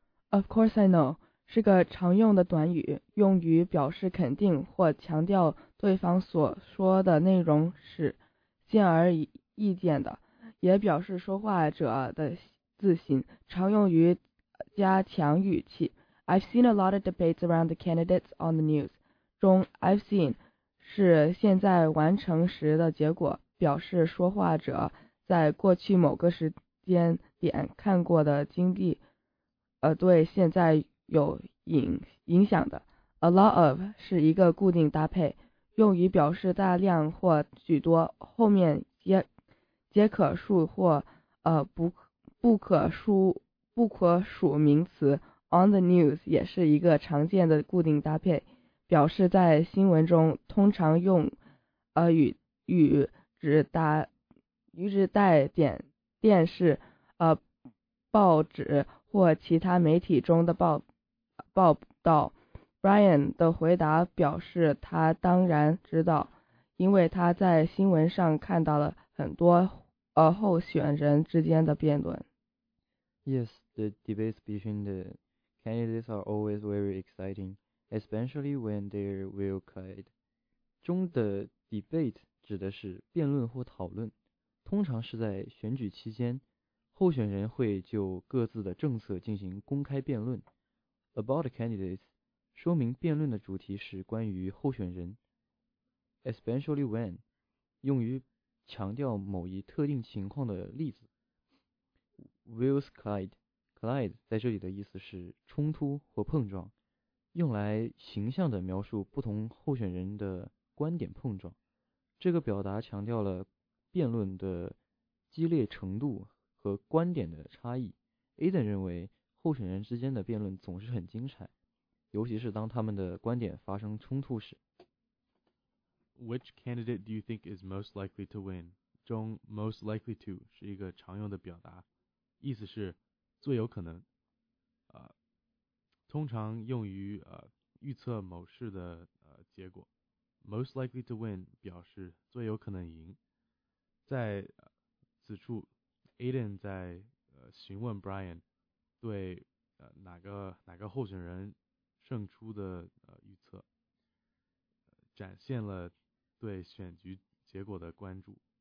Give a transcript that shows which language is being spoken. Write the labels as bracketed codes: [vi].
[en] Of course I know. [zh] 是个常用的短语，用于表示肯定或强调对方所说的内容是显而易见的，也表示说话者的自信，常用于加强语气。 [en] I've seen a lot of debates around the candidates on the news. [zh] 中 I've seen 是现在完成时的结果，表示说话者在过去某个时间点看过的经历，对现在有影响的。 A lot of 是一个固定搭配，用于表示大量或许多，后面皆可数或不可数名词。 On the news 也是一个常见的固定搭配，表示在新闻中，通常用与指带点电视、报纸或其他媒体中的报道。 Brian 的回答表示他当然知道，因为他在新闻上看到了很多候选人之间的辩论。 [en] Yes, the debates between the candidates are always very exciting, especially when they're well played. [zh] 中的 debate 指的是辩论或讨论，通常是在选举期间，候选人会就各自的政策进行公开辩论。 [en] About candidates. [zh] 说明辩论的主题是关于候选人 [en] especially when [zh] 用于强调某一特定情况的例子 [en] wheels collide [zh] 在这里的意思是冲突或碰撞，用来形象地描述不同候选人的观点碰撞，这个表达强调了辩论的激烈程度和观点的差异。 Aiden 认为候选人之间的辩论总是很精彩，尤其是当他们的观点发生冲突时。 [en] Which candidate do you think is most likely to win? [zh] 中 most likely to 是一个常用的表达，意思是最有可能，通常用于预测某事的结果。 Most likely to win 表示最有可能赢。在此处 Aiden 在询问 Brian 对哪个候选人胜出的预测，展现了对选举结果的关注。